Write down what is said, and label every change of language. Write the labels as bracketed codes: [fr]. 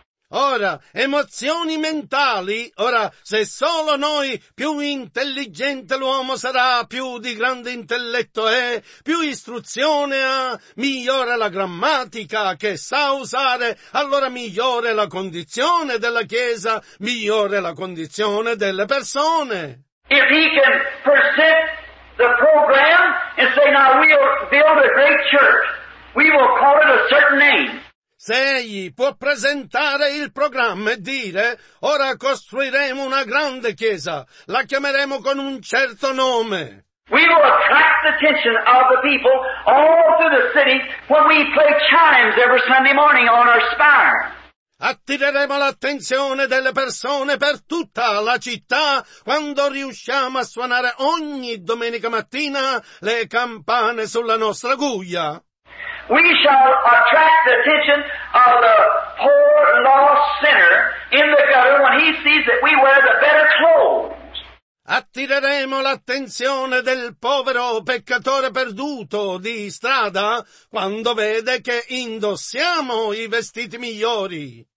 [it] Ora, emozioni mentali, ora, se solo noi, più intelligente l'uomo sarà, più di grande intelletto è, più istruzione ha, migliore la grammatica che sa usare, allora migliore la condizione della Chiesa, migliore la condizione delle persone. [en] If he can present the program and say, now we'll build a great church, we will call it a certain name. [it] Se egli può presentare il programma e dire, ora costruiremo una grande chiesa, la chiameremo con un certo nome. [en] We will attract the attention of the people all through the city when we play chimes every Sunday morning on our spire. [it] Attireremo l'attenzione delle persone per tutta la città quando riusciamo a suonare ogni domenica mattina le campane sulla nostra guglia. [en] We shall attract the attention of the poor lost sinner in the gutter when he sees that we wear the better clothes. [it] Attireremo l'attenzione del povero peccatore perduto di strada quando vede che indossiamo i vestiti migliori.